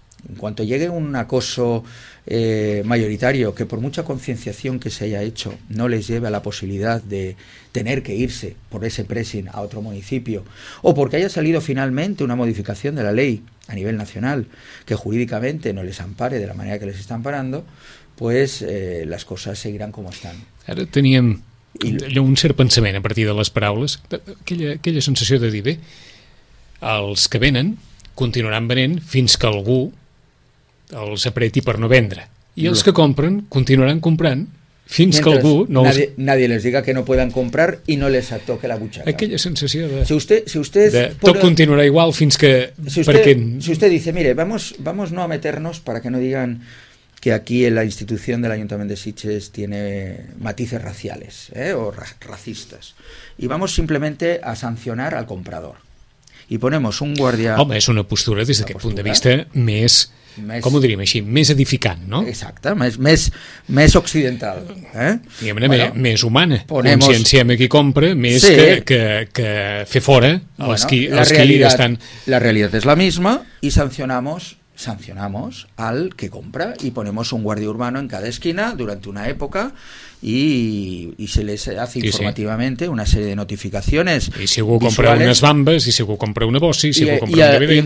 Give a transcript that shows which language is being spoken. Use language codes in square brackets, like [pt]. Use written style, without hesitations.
[es] En cuanto llegue un acoso mayoritario, que por mucha concienciación que se haya hecho, no les lleve a la posibilidad de tener que irse por ese pressing a otro municipio, o porque haya salido finalmente una modificación de la ley a nivel nacional que jurídicamente no les ampare de la manera que les están parando, pues las cosas seguirán como están. [ca] Ara teníem un cert pensament a partir de les paraules, aquella sensació de dir, bé, els que venen continuaran venent fins que algú els apreti per no vendre. I els que compren continuaran comprant fins que algú no els... [es] Nadie les diga que no puedan comprar y no les toque la butxaca. [ca] Aquella sensació de... [es] Si usted [ca] de tot puede... continuarà igual fins que... [es] Si usted dice, mire, vamos no a meternos para que no digan que aquí en la institución del Ayuntamiento de Sitges tiene matices raciales o racistas. Y vamos simplemente a sancionar al comprador. Y ponemos un guardia... [ca] Home, és una postura des d'aquest punt de vista més... com ho diríem així? Més edificant, no? Exacte, més occidental. Diguem-ne, bueno, més humana. Conscienciem a qui compra més, sí, que fer fora els [es] bueno, [ca] qui estan... La realitat és [es] la misma i sancionamos al que compra y ponemos un guardia urbano en cada esquina durante una época y se les hace informativamente una serie de notificaciones. Y si algú compra unas bambas, y si algú compra una bossa, y si algú compra un bebé.